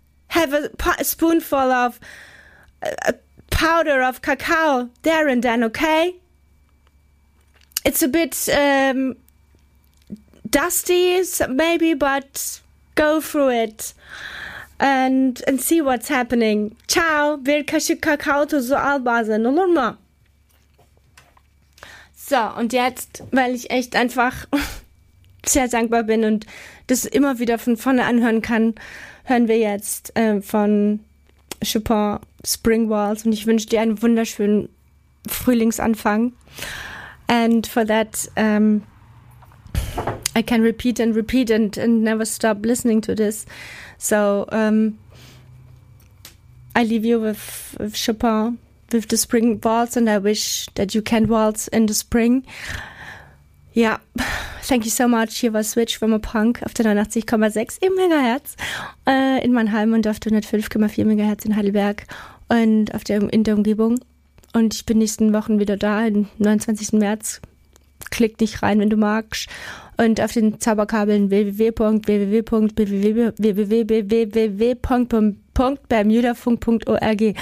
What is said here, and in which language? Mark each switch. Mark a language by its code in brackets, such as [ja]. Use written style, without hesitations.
[en] Have a spoonful of powder of Kakao there and then, okay? It's a bit dusty, maybe, but go through it and see what's happening. [tr] Ciao, bir kaşık Kakao tuzu al bazen, olur mu? [de] So, und jetzt, weil ich echt einfach sehr dankbar bin und das immer wieder von vorne anhören kann, hören wir jetzt von Chopin Spring Waltz und ich wünsche dir einen wunderschönen Frühlingsanfang. [en] And for that, I can repeat and repeat and never stop listening to this. So I leave you with Chopin, with the Spring Waltz, and I wish that you can waltz in the spring. Yeah, thank you so much. [de] Hier war Switch from a Punk auf der 89,6 im Megahertz in Mannheim und auf der 105,4 Megahertz in Heidelberg und auf der, in der Umgebung. Und ich bin nächsten Wochen wieder da, am 29. März. Klick dich rein, wenn du magst. Und auf den Zauberkabeln www.bermudafunk.org.